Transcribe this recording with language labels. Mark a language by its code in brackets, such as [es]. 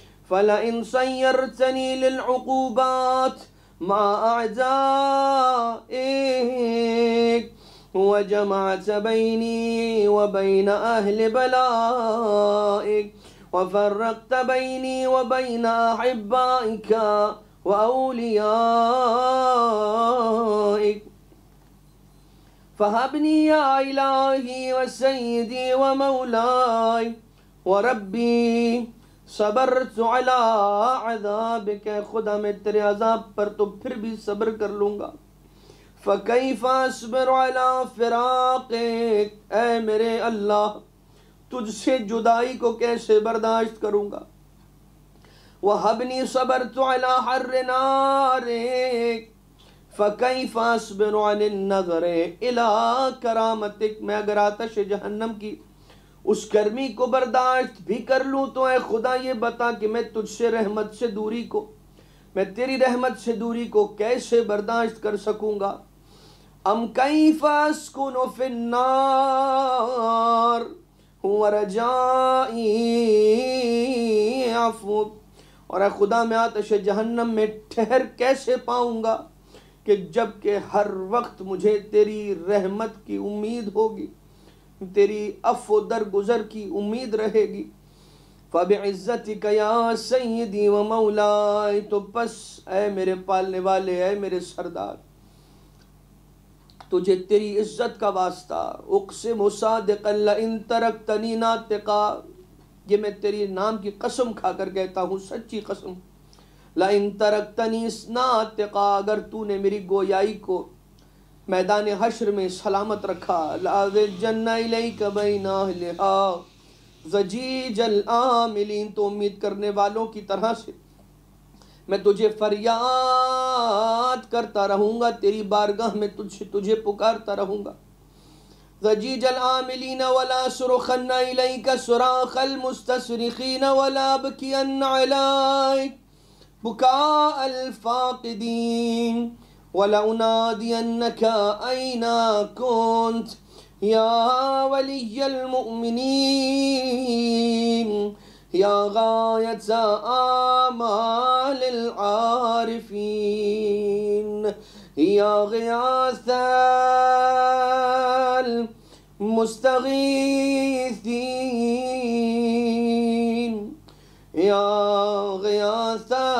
[ar] فلئن صيرتني للعقوبات مع أعدائك، وجمعت بيني وبين أهل بلائك، وفرقت بيني وبين أحبائك وأوليائك، فهبني يا إلهي وسيدي ومولاي وربي، صبرت على عذابك. [ur] خدا میں تیرے عذاب پر تو پھر بھی صبر کر لوں گا. [ar] فکیف اصبر على فراقك، [ur] اے میرے اللہ تجھ سے جدائی کو کیسے برداشت کروں گا. [ar] وهبني صبرت على حر نارك، فكيف اصبر عن النظر الى كرامتك. [ur] میں اگر آتش جہنم کی اس گرمی کو برداشت بھی کر لوں تو اے خدا یہ بتا کہ میں تجھ سے رحمت سے دوری کو میں تیری رحمت سے دوری کو کیسے برداشت کر سکوں گا. [ar] ام كيف اسكن في النار ورجائي عفو. [ur] اور اے خدا میں آتش جہنم میں ٹھہر کیسے پاؤں گا کہ جبکہ ہر وقت مجھے تیری رحمت کی امید ہوگی، تیری عفو در گزر کی امید رہے گی. [ar] فبعزتك يا سيدي ومولاي، [ur] تو پس اے میرے پالنے والے، اے میرے سردار، تجھے تیری عزت کا واسطہ. [ar] اقسم صادقا لئن ترکتنی ناطقا، [ur] یہ میں تیری نام کی قسم کھا کر کہتا ہوں، سچی قسم. [ar] لئن ترکتنی ناطقا، [ur] اگر تو نے میری گویائی کو میدان حشر میں سلامت رکھا. [ar] لأضجن إليك بين أهلها زجيج العاملين، [ur] تو امید کرنے والوں کی طرح سے میں تجھے فریاد کرتا رہوں گا، تیری بارگاہ میں تجھے پکارتا رہوں گا. [ar] زجيج العاملين ولا صرخن إليك صراخ المستصرخين ولا بكين عليك بكاء الفاقدين. ولأنادينك أين كنت يا ولي المؤمنين يا غاية آمال العارفين يا غياث المستغيثين يا غياث